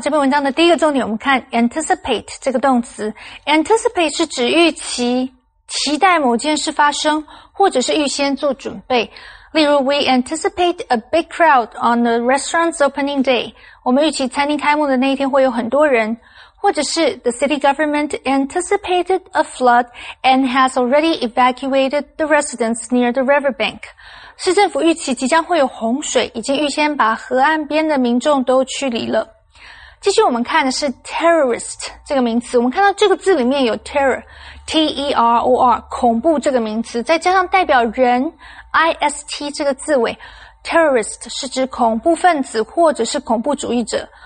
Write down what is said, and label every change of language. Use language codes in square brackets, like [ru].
[zh] 这篇文章的第一个重点，我们看 anticipate 这个动词。 Anticipate 是指预期、期待某件事发生，或者是预先做准备。例如 [en] ，We anticipate a big crowd on the restaurant's opening day. [zh] 我们预期餐厅开幕的那一天会有很多人。或者是 [en] ，The city government anticipated a flood and has already evacuated the residents near the riverbank. [zh] 市政府预期即将会有洪水，已经预先把河岸边的民众都驱离了。继续我们看的是 terrorist 这个名词，我们看到这个字里面有 terror, T-E-R-O-R, 恐怖这个名词，再加上代表人 ,I-S-T 这个字尾 ,terrorist 是指恐怖分子或者是恐怖主义者。